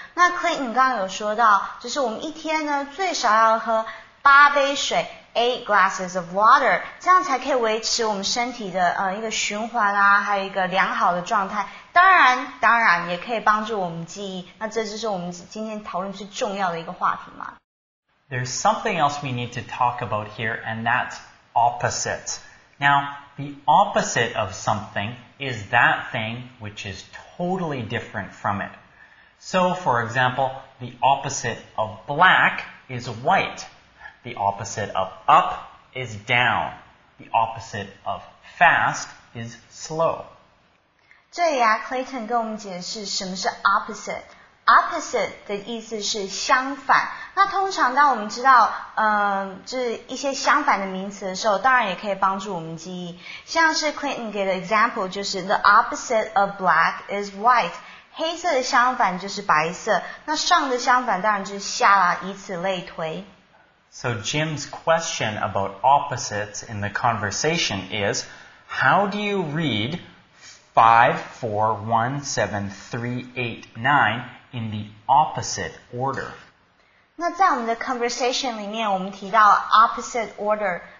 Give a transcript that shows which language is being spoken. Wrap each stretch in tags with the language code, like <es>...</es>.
<zh>那 Clinton 刚刚有说到，就是我们一天呢最少要喝八杯水 ，</zh> <en>8 glasses of water，</en> <zh>这样才可以维持我们身体的一个循环啊，还有一个良好的状态。当然也可以帮助我们记忆。那这就是我们今天讨论最重要的一个话题嘛。</zh> <en>There's something else we need to talk about here, and that's opposites. Now, the opposite of something is that thing which is totally different from it. So, for example, the opposite of black is white. The opposite of up is down. The opposite of fast is slow.</en> <zh>这里啊 ，Clayton 跟我们解释什么是 opposite。Opposite 的意思是相反。那通常当我们知道就是一些相反的名词的时候，当然也可以帮助我们记忆。像是 Clinton 给的 example 就是</zh> <en>The opposite of black is white.</en> <zh>黑色的相反就是白色。那上的相反当然就是下啦，以此类推。</zh> <en>So Jim's question about opposites in the conversation is, how do you read 5, 4, 1, 7, 3, 8, 9 in the opposite order?</en> <zh>那在我们的 conversation 里面我们提到</zh> <en>opposite order.</en>